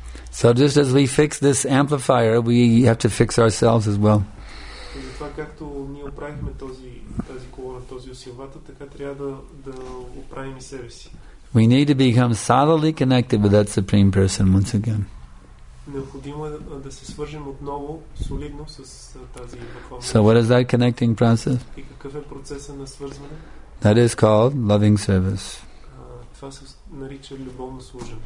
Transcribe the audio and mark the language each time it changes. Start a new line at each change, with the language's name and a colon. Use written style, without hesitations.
English: So just as we fix this amplifier, we have to fix ourselves as well.
Bulgarian: Това както ние оправихме тази колона, този осилвата, така трябва да оправим и себе си.
English: We need to become solidly connected with that Supreme Person once again.
Bulgarian: Необходимо е да се свържем отново солидно с тази върховна.
English: So what is that connecting process?
Bulgarian: И какъв е процесът на свързване?
English: That is called loving service.
Bulgarian: Това се нарича любовно служене.